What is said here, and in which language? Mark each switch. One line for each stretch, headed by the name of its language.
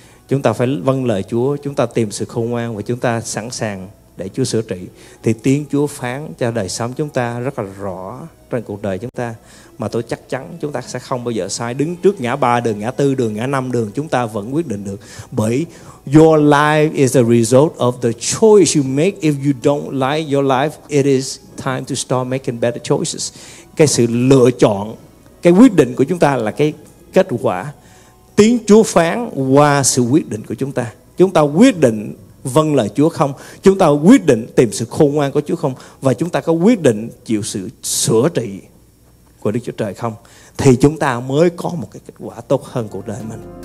Vietnamese: Chúng ta phải vâng lời Chúa, chúng ta tìm sự khôn ngoan và chúng ta sẵn sàng để Chúa sửa trị. Thì tiếng Chúa phán cho đời sống chúng ta rất là rõ trên cuộc đời chúng ta. mà tôi chắc chắn chúng ta sẽ không bao giờ sai. Đứng trước ngã ba đường, ngã tư đường, ngã năm đường, chúng ta vẫn quyết định được. Bởi
English: your life is a result of the choice you make. If you don't like your life, it is time to start making better choices.
Vietnamese: Cái sự lựa chọn, cái quyết định của chúng ta là cái kết quả. Tiếng Chúa phán qua sự quyết định của chúng ta. Chúng ta quyết định vâng lời Chúa không? Chúng ta quyết định tìm sự khôn ngoan của Chúa không? Và chúng ta có quyết định chịu sự sửa trị của Đức Chúa Trời không? Thì chúng ta mới có một cái kết quả tốt hơn cuộc đời mình.